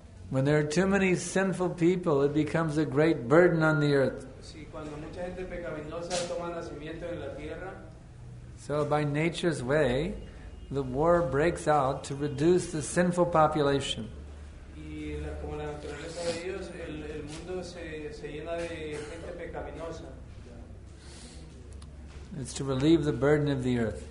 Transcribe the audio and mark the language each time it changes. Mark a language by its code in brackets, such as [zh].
[en] When there are too many sinful people, it becomes a great burden on the earth. [es] Si, cuando mucha gente pecaminosa toma nacimiento en la tierra, [en] so by nature's way, the war breaks out to reduce the sinful population. [es] Y la, como la naturaleza de Dios, el mundo se llena de gente pecaminosa. [en] It's to relieve the burden of the earth.